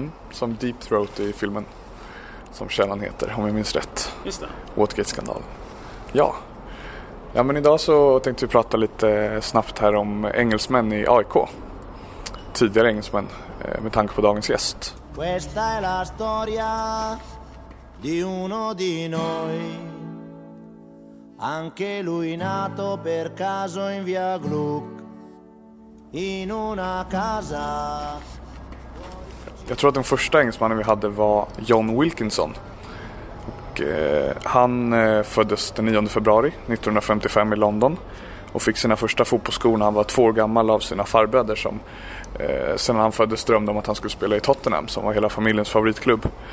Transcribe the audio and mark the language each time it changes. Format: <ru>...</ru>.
<sv>Som Deep Throat i filmen, som källan heter, om jag minns rätt. Just det. Watergate-skandalen. Ja. Ja, men idag så tänkte vi prata lite snabbt här om engelsmän i AIK. Tidigare engelsmän, med tanke på dagens gäst.</sv> <it>Questa è la storia di uno di noi. Anche lui nato per caso in via Gluck. In una casa</it> <sv>Jag tror att den första engelsmannen vi hade var John Wilkinson. Och han föddes den 9 februari 1955 i London och fick sina första fotbollsskor när han var 2 år gammal av sina farbröder som sedan han föddes drömde om att han skulle spela i Tottenham som var hela familjens favoritklubb.</sv>